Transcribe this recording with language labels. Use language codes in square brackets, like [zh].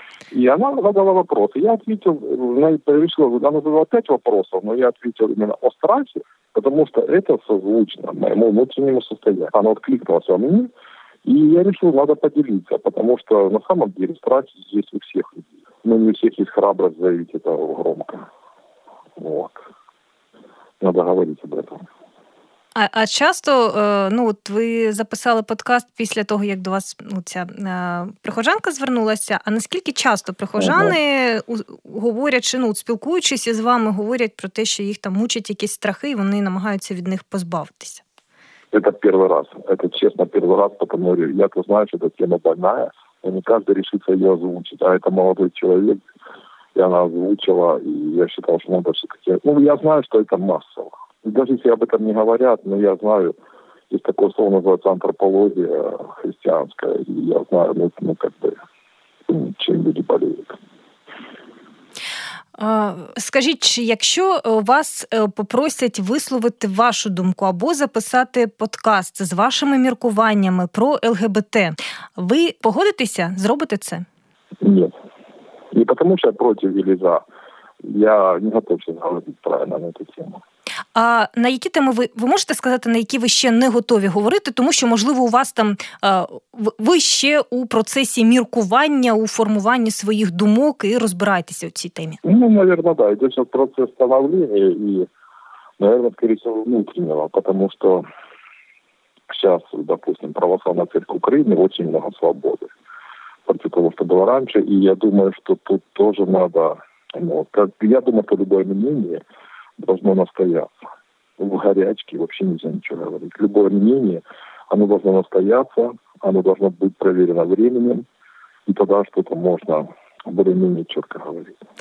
[ru] И она задала вопросы. Я ответил, она задала 5 вопросов, но я ответил именно о страхе, потому что это созвучно моему внутреннему состоянию. Она откликнулась во мне, и я решил, надо поделиться, потому что на самом деле страхи есть у всех людей. Но не у всех есть храбрость заявить это громко. Вот. Надо говорить об этом. [uk] А часто, ну, от ви записали подкаст після того, як до вас, ну, ця прихожанка звернулася, а наскільки часто прихожани, говорять, чи, ну, от, спілкуючись із вами, говорять про те, що їх там мучать якісь страхи, і вони намагаються від них позбавитися? [ru] Это первый раз. Это честно первый раз, потому что я-то знаю, что эта тема больная, но не каждый решится ее озвучить. А это молодой человек, и она озвучила, и я считал, что надо все-таки... Ну, я знаю, что это массово. И даже если об этом не говорят, но я знаю, есть такое слово, называется антропология христианская, и я знаю, ну как бы, чем люди болеют. [uk] Скажіть, якщо вас попросять висловити вашу думку або записати подкаст з вашими міркуваннями про ЛГБТ, ви погодитеся? Зробите це? Ні. Не тому, що я проти чи за. Я не готов говорити правильно на цю тему. А на які теми ви можете сказати, на які ви ще не готові говорити? Тому що, можливо, у вас там ви ще у процесі міркування, у формуванні своїх думок і розбираєтеся у цій темі? Ну, мабуть, так. Йдеться в процес становлення і, мабуть, скоріше, внутрішнього. Тому що зараз, допустимо, православна церква України дуже багато свободи. Проти того, що було раніше. І я думаю, що тут теж треба... [ru] Ну, я думаю, що любое мнение... должно настояться. В горячке вообще нельзя ничего говорить. Любое мнение, оно должно настояться, оно должно быть проверено временем, и тогда что-то можно более-менее четко говорить.